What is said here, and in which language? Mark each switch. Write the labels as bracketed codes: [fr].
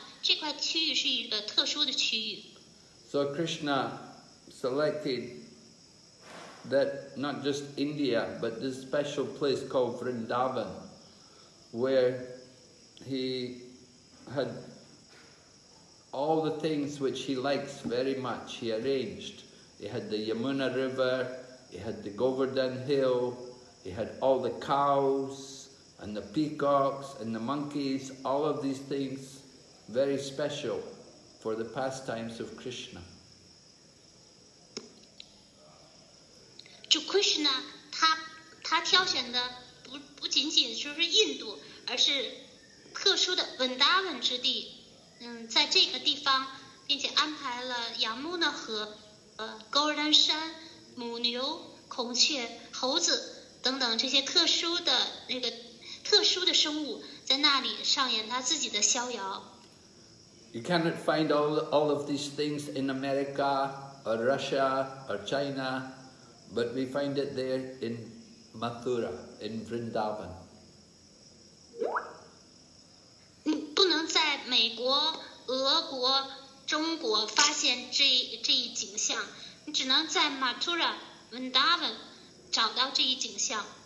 [zh] 我们打一个比方，正像一名农民，他有大量的田地，但他会挑选出一块特殊的土地来建造自己的家园，和自己的家人一起生活在这块土地上。这块区域是一个特殊的区域。 [en] So Krishna selected that not just India, but this special place called Vrindavan, where he had all the things which he likes very much, he arranged. He had the Yamuna River, he had the Govardhan Hill, he had all the cows and the peacocks and the monkeys, all of these things very special for the pastimes of Krishna. [zh] 就 Krishna， 他挑选的不仅仅就是印度，而是特殊的 Vrindavan 之地，在这个地方，并且安排了 Yamuna 河、Golden 山、母牛、孔雀、猴子等等这些特殊的那个特殊的生物，在那里上演他自己的逍遥。 [en] You cannot find all of these things in America or Russia or China, but we find it there in Mathura, in Vrindavan. [zh] 不能在美国、俄国、中国发现这一景象，你只能在 Mathura, Vrindavan 找到这一景象。